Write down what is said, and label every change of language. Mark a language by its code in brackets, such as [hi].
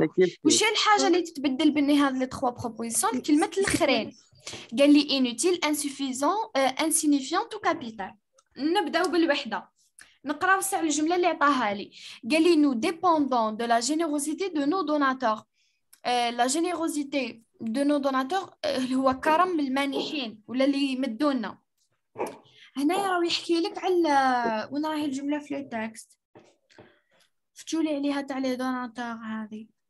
[fr] La chose qui est de changer les trois propositions, c'est la seule. [ar] قال لي [fr] inutile, insuffisant, insignifiant ou capital. [ar] نبداو بالوحدة. نقراو سعر الجملة اللي عطاها لي. قال لي [fr] nous dépendons de la générosité de nos donateurs. La générosité de nos donateurs [ar] هو كرم المانحين ولا اللي مدونا. هنا راهو يحكي لك على وين راهي الجملة في لو تكست. فتشوا لي عليها تاع لي دوناتور هذه.